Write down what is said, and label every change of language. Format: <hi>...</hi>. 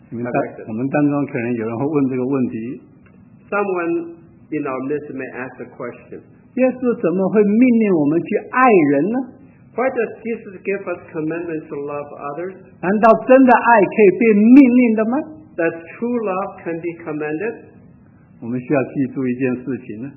<zh>和爱别的信徒是连在一起。我们当中可能有人会问这个问题，</zh> <en>Someone in our midst may ask the question,</en> <zh>耶稣怎么会命令我们去爱人呢？</zh> <en>Why does Jesus give us commandments to love others?</en> <zh>难道真的爱可以被命令的吗？</zh> <en>That true love can be commanded?</en> <zh>我们需要记住一件事情呢，</zh>